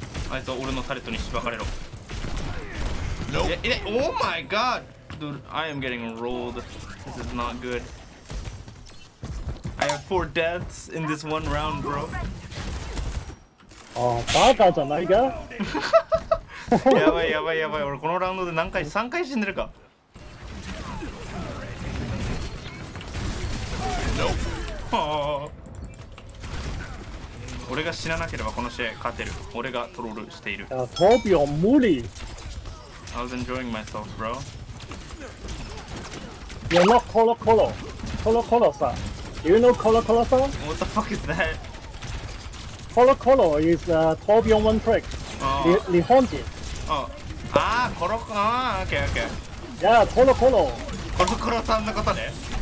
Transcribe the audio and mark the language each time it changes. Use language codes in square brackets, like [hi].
[ja] あいつは俺のタレットにしばかれろ。 [en] No. Oh my god! Dude, I am getting rolled. This is not good. I have 4 deaths in this one round, bro. [ja] あ、バカじゃないか。やばいやばいやばい。俺このラウンドで何回、3回死んでるか。俺が死ななければこの試合勝てる。俺がトロールしている。トビオ無理。 [en] I was enjoying myself, bro. You know Colo Colo? Colo Colo さん。 You know Colo Colo さん? What the fuck is that? Colo Colo is a Toby on one track. [ja] 日本人。ああ、コロコロ。ああ、オッケーオッケー。いや、コロコロ。コロコロさんのことね。